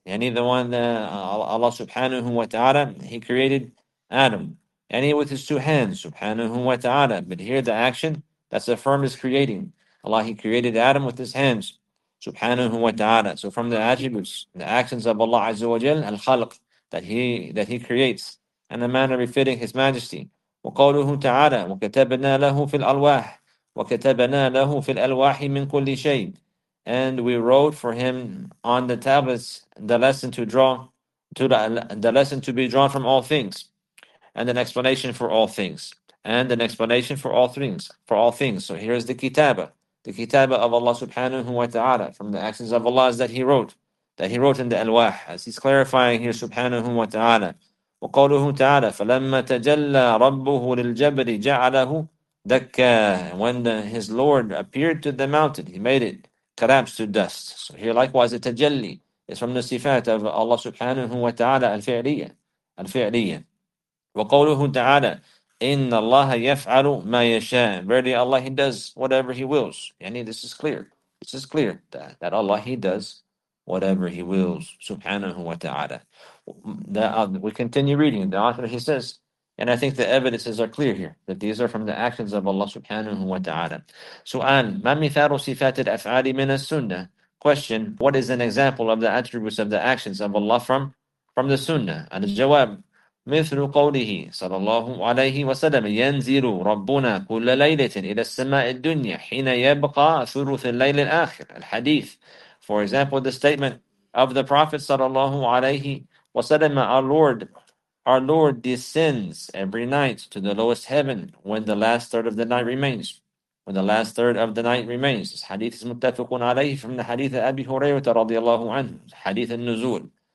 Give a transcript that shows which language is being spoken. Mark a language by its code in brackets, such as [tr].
[en] Any the one that Allah subhanahu wa ta'ala, He created Adam, any with His two hands, subhanahu wa ta'ala. But here the action that's affirmed is creating Allah, He created Adam with His hands, subhanahu wa ta'ala. So from the attributes, the actions of Allah azza wa jal, al-khalq, that he creates in a manner befitting His Majesty. [ar] وقوله تعالى وكتبنا له في الألواح وكتبنا له في الألواح من كل شيء. [en] And we wrote for him on the tablets the lesson to draw, to the lesson to be drawn from all things, and an explanation for all things, and an explanation for all things, for all things. So here is the kitaba of Allah subhanahu wa ta'ala. From the actions of Allah is that he wrote in the alwah, as He's clarifying here subhanahu wa ta'ala. [ar] وقوله تعالى فلما تجلى ربه للجبل جعله [en] when his Lord appeared to the mountain, he made it collapse to dust. So here likewise, the tajalli is from the sifat of Allah subhanahu wa ta'ala al-fi'liya. Al-fi'liya. [ar] وَقَوْلُهُ تَعَالَى إِنَّ اللَّهَ يَفْعَلُ مَا يَشَاءُ. [en] Verily Allah, He does whatever He wills. Yani, this is clear. This is clear that Allah, He does whatever He wills. Subhanahu wa ta'ala. We continue reading. The author, he says, and I think the evidences are clear here, that these are from the actions of Allah subhanahu wa ta'ala. [ar] سؤال, ما مثال صفات الأفعال من السنة? [en] Question, what is an example of the attributes of the actions of Allah from the Sunnah? And the jawab, [ar] مثل قوله صلى الله عليه وسلم ينزل ربنا كل ليلة إلى السماء الدنيا حين يبقى ثلث الليل الآخر الحديث. [en] For example, the statement of the Prophet صلى الله عليه وسلم, our Lord descends every night to the lowest heaven when the last third of the night remains. When the last third of the night remains. This hadith is muttafaqun alayhi from the hadith of Abi Hurayrah radiallahu anhu, hadith al-Nuzul.